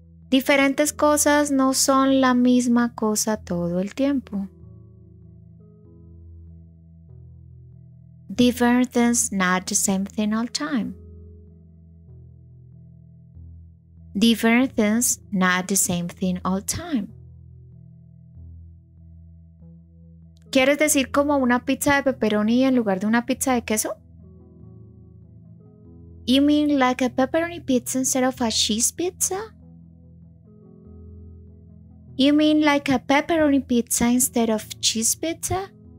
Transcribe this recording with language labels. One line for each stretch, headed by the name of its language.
Spanish: Diferentes cosas no son la misma cosa todo el tiempo.
English: Different things not the same thing all time. Different things not the same thing all time.
Spanish: ¿Quieres decir como una pizza de pepperoni en lugar de una pizza de queso?
English: You mean like a pepperoni pizza instead of a cheese pizza? You mean like a pepperoni pizza instead of cheese pizza?